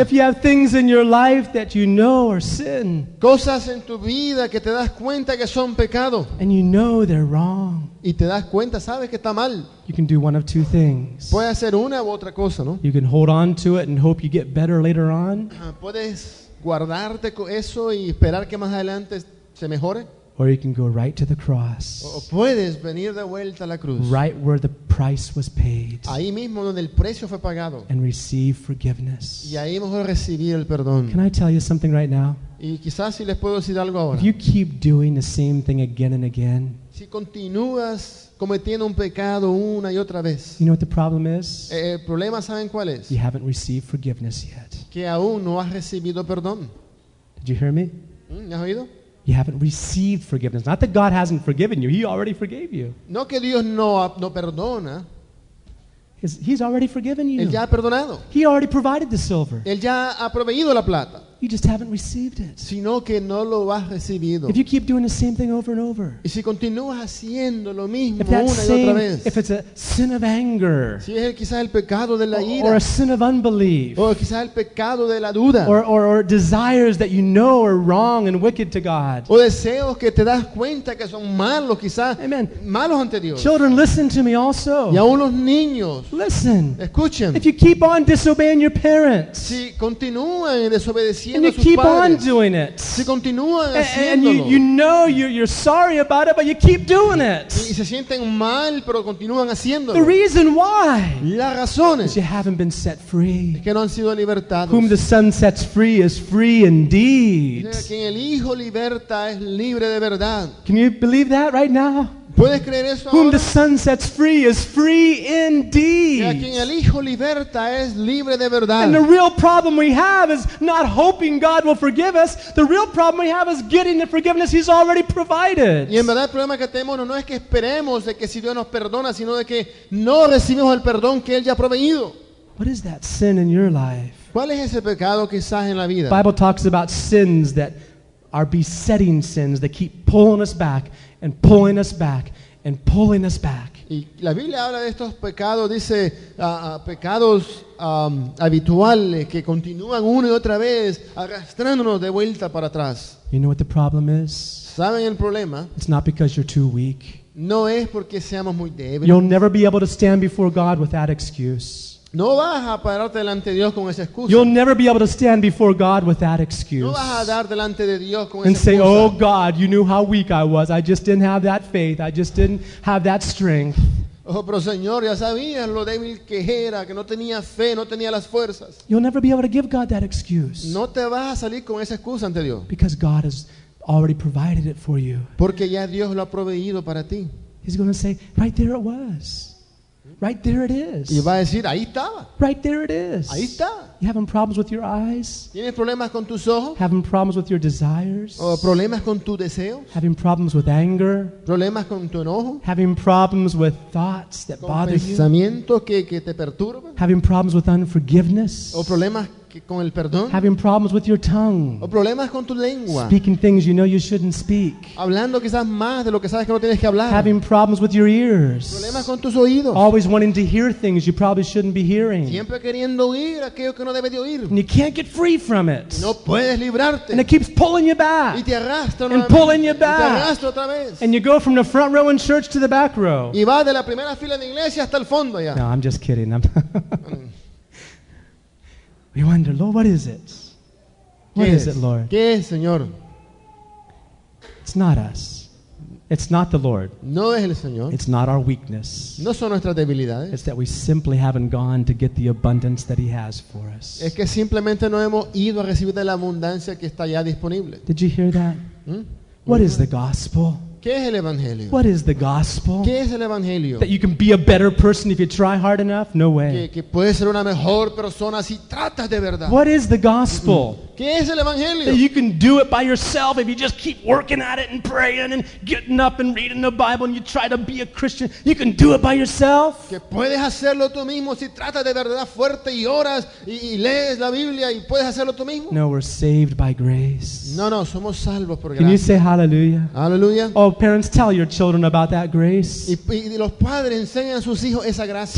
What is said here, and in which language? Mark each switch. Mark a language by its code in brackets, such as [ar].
[en] if you have things in your life that you know are sin, [es] cosas en tu vida que te das cuenta que son pecado, [en] and you know they're wrong, [es] y te das cuenta, sabes que está mal, [en] you can do one of two things. [es] Puedes hacer una u otra cosa, ¿no? [en] You can hold on to it and hope you get better later on. [es] Puedes guardarte eso y esperar que más adelante se mejore. [en] Or you can go right to the cross. [es] O puedes venir de vuelta a la cruz. [en] Right where the price was paid. [es] Ahí mismo donde el precio fue pagado. [en] And receive forgiveness. [es] Y ahí mejor recibir el perdón. [en] Can I tell you something right now? [es] Y quizás si les puedo decir algo ahora. [en] If you keep doing the same thing again and again. [es] Si continúas cometiendo un pecado una y otra vez. [en] You know what the problem is? [es] El problema, ¿saben cuál es? [en] You haven't received forgiveness yet. [es] Que aún no has recibido perdón. [en] Did you hear me? [es] ¿Me has oído? [en] You haven't received forgiveness. Not that God hasn't forgiven you. He already forgave you. [es] No que Dios no perdona. [en] He's already forgiven you. [es] Él ya ha perdonado. [en] He already provided the silver. [es] Él ya ha proveído la plata. [en] You just haven't received it. [es] Sino que no lo has recibido. [en] If you keep doing the same thing over and over. [es] Y si continúas haciendo lo mismo una y otra vez. [en] If it's a sin of anger. [es] Si es quizás el pecado de la ira. [en] Or a sin of unbelief. [es] O quizás el pecado de la duda. [en] Or desires that you know are wrong and wicked to God. [es] O deseos que te das cuenta que son malos quizás. [en] Amen. [es] Malos ante Dios. [en] Children, listen to me also. [es] Y aún los niños. [en] Listen. [es] Escuchen. [en] If you keep on disobeying your parents. [es] Si continúan desobedeciendo. [en] And you keep [es] padres, [en] on doing it. [es] Si continúan haciéndolo. [en] And you know you're sorry about it, but you keep doing it. [es] Y se sienten mal, pero continúan haciéndolo. [en] The reason why? [es] La razón es [en] you haven't been set free. [es] Que no han sido libertados. [en] Whom the Son sets free is free indeed. [es] Quien el Hijo liberta es libre de verdad. [en] Can you believe that right now? [es] ¿Puedes creer eso [en] whom [es] ahora? [en] The Son sets free is free indeed. [es] Y a quien el Hijo liberta es libre de verdad. [en] And the real problem we have is not hoping God will forgive us. The real problem we have is getting the forgiveness He's already provided. [es] Y en verdad el problema que tenemos no es que esperemos de que si Dios nos perdona, sino de que no recibimos el perdón que Él ya ha proveído. [en] What is that sin in your life? [es] ¿Cuál es ese pecado quizás en la vida? [en] The Bible talks about sins that are besetting sins that keep pulling us back. And pulling us back, and pulling us back. [es] Y la Biblia habla de estos pecados, dice pecados habituales que continúan una y otra vez arrastrándonos de vuelta para atrás. [en] You know what the problem is? [es] ¿Saben el problema? [en] It's not because you're too weak. [es] No es porque seamos muy débiles. [en] You'll never be able to stand before God with that excuse. [es] No vas a pararte delante de Dios con esa excusa. [en] You'll never be able to stand before God with that excuse. [es] No vas a dar delante de Dios con esa [en] and say, [es] excusa. [en] Oh God, you knew how weak I was. I just didn't have that faith. I just didn't have that strength. [es] Oh, pero Señor, ya sabías lo débil que era, que no tenía fe, no tenía las fuerzas. [en] You'll never be able to give God that excuse. [es] No te vas a salir con esa excusa ante Dios. [en] Because God has already provided it for you. [es] Porque ya Dios lo ha proveído para ti. [en] He's going to say, right there it was. Right there it is. [es] Y va a decir, ahí estaba. [en] Right there it is. [es] Ahí está. [en] You having problems with your eyes? [es] ¿Tienes problemas con tus ojos? [en] Having problems with your desires? [es] ¿O problemas con tus deseos? [en] Having problems with anger? [es] ¿Problemas con tu enojo? [en] Having problems with thoughts that [es] con [en] bother you? [es] ¿Pensamientos que te perturban? [en] Having problems with unforgiveness? [es] ¿O problemas con el perdón? [en] Having problems with your tongue? [es] ¿O problemas con tu lengua? [en] Speaking things you know you shouldn't speak? [es] Hablando quizás más de lo que sabes que no tienes que hablar? [en] Having problems with your ears? [es] ¿Problemas con tus oídos? [en] Always wanting to hear things you probably shouldn't be hearing? [es] Siempre queriendo oír aquello que no debes de oír? [en] And you can't get free from it? [es] No puedes librarte? [en] And it keeps pulling you back? [es] Y te arrastra [en] nuevamente? And pulling you back? [es] Y te arrastra otra vez? [en] And you go from the front row in church to the back row? [es] Y va de la primera fila de iglesia hasta el fondo ya? [en] No, I'm just kidding. We wonder, Lord, what is it? What is it, Lord? [es] ¿Qué es, Señor? [en] It's not us. It's not the Lord. [es] No es el Señor. [en] It's not our weakness. [es] No son nuestras debilidades. [en] It's that we simply haven't gone to get the abundance that He has for us. [es] Es que simplemente no hemos ido a recibir de la abundancia que está ya disponible. [en] Did you hear that? What is the gospel? [es] ¿Qué es el evangelio? [en] What is the gospel? [es] ¿Qué es el evangelio? [en] That you can be a better person if you try hard enough? No way. [es] Que puedes ser una mejor persona si tratas de verdad. [en] What is the gospel? [es] ¿Qué es el evangelio? [en] That you can do it by yourself if you just keep working at it and praying and getting up and reading the Bible and you try to be a Christian. You can do it by yourself. [es] Que puedes hacerlo tú mismo si tratas de verdad fuerte y oras y lees la Biblia y puedes hacerlo tú mismo. [en] No, we're saved by grace. [es] No, somos salvos por gracia. [en] Can you say hallelujah? Hallelujah. Oh, parents, tell your children about that grace. [es] Y los padres enseñan a sus hijos esa gracia.